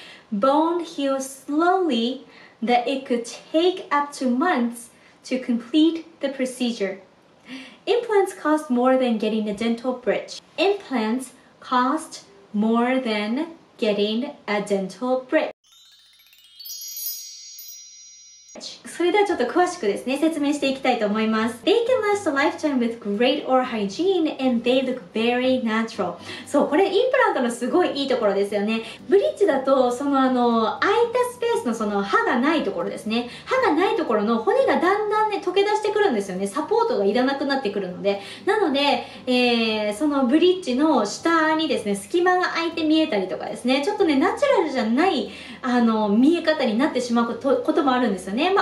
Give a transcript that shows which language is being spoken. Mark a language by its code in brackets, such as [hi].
[en] Bone heals slowly that it could take up to months to complete the procedure. Implants cost more than getting a dental bridge. Implants cost more than getting a dental bridge. [ja] それではちょっと詳しくですね、説明していきたいと思います。 [en] They can last a lifetime with great oral hygiene and they look very natural. [ja] そう、これインプラントのすごいいいところですよね。ブリッジだと、その空いたスペースのその歯がないところですね。歯がないところの骨がだんだん溶け出してくるんですよね。サポートがいらなくなってくるので、なので、そのブリッジの下にですね隙間が空いて見えたりとかですね、ちょっとねナチュラルじゃない見え方になってしまうこともあるんですよね。